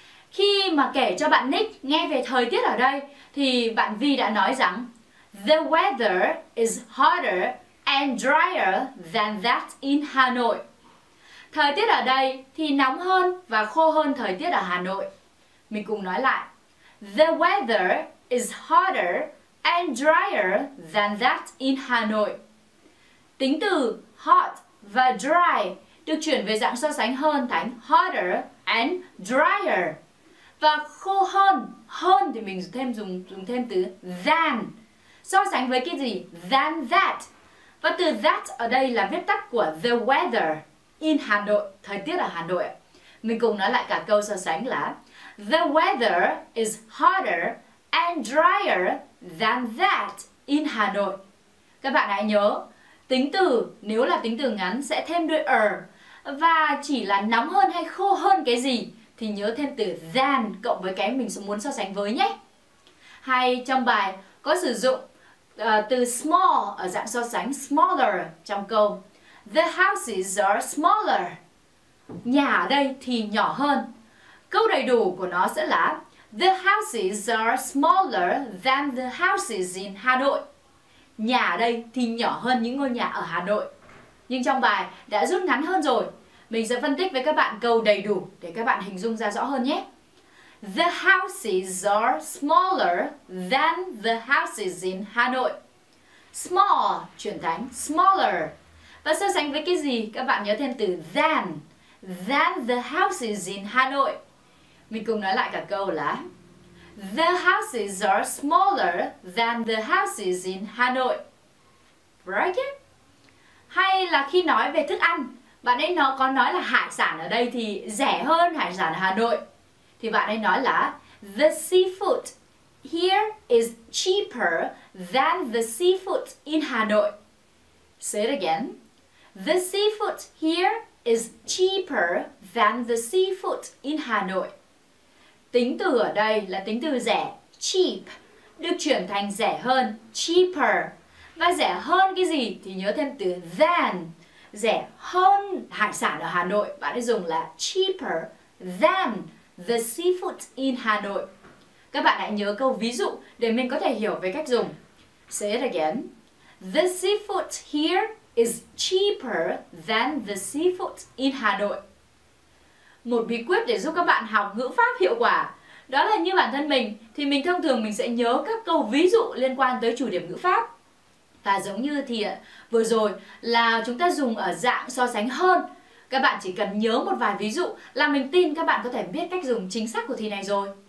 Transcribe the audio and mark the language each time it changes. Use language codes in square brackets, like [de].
[vi] Khi mà kể cho bạn Nick nghe về thời tiết ở đây thì bạn Vi đã nói rằng [en] the weather is hotter and drier than that in Hanoi. [vi] Thời tiết ở đây thì nóng hơn và khô hơn thời tiết ở Hà Nội. Mình cùng nói lại. [en] The weather is hotter and drier than that in Hanoi. [vi] Tính từ hot và dry được chuyển về dạng so sánh hơn thành [en] hotter and drier. [vi] Và khô hơn, hơn thì mình thêm dùng thêm từ than. So sánh với cái gì? [en] Than that. [vi] Và từ that ở đây là viết tắt của the weather in Hà Nội, thời tiết ở Hà Nội. Mình cùng nói lại cả câu so sánh là [en] the weather is hotter and drier than that in Hà Nội. [vi] Các bạn hãy nhớ, tính từ nếu là tính từ ngắn sẽ thêm đuôi er, và chỉ là nóng hơn hay khô hơn cái gì thì nhớ thêm từ than cộng với cái mình muốn so sánh với nhé. Hay trong bài có sử dụng từ small ở dạng so sánh smaller trong câu [en] the houses are smaller. [vi] Nhà ở đây thì nhỏ hơn. Câu đầy đủ của nó sẽ là [en] The houses are smaller than the houses in Hà Nội. [vi] Nhà ở đây thì nhỏ hơn những ngôi nhà ở Hà Nội. Nhưng trong bài đã rút ngắn hơn rồi. Mình sẽ phân tích với các bạn câu đầy đủ để các bạn hình dung ra rõ hơn nhé. [en] The houses are smaller than the houses in Hà Nội. [vi] Small, chuyển thành smaller. Và so sánh với cái gì? Các bạn nhớ thêm từ than. [en] Than the houses in Hà Nội. [vi] Mình cùng nói lại cả câu là [en] The houses are smaller than the houses in Hà Nội. Right? Yeah? [vi] Hay là khi nói về thức ăn, bạn ấy có nói là hải sản ở đây thì rẻ hơn hải sản ở Hà Nội. Thì bạn ấy nói là The seafood here is cheaper than the seafood in Hà Nội. Say it again. The seafood here is cheaper than the seafood in Hà Nội. Tính từ ở đây là tính từ rẻ, cheap, được chuyển thành rẻ hơn, cheaper. Và rẻ hơn cái gì thì nhớ thêm từ than. Rẻ hơn hải sản ở Hà Nội, bạn ấy dùng là [en] cheaper than the seafood in Hà Nội. [vi] Các bạn hãy nhớ câu ví dụ để mình có thể hiểu về cách dùng. [en] Say it again. The seafood here is cheaper than the seafood in Hà Nội. [vi] Một bí quyết để giúp các bạn học ngữ pháp hiệu quả đó là như bản thân mình thì mình thông thường mình sẽ nhớ các câu ví dụ liên quan tới chủ điểm ngữ pháp. Và giống như thì vừa rồi là chúng ta dùng ở dạng so sánh hơn. Các bạn chỉ cần nhớ một vài ví dụ là mình tin các bạn có thể biết cách dùng chính xác của thì này rồi.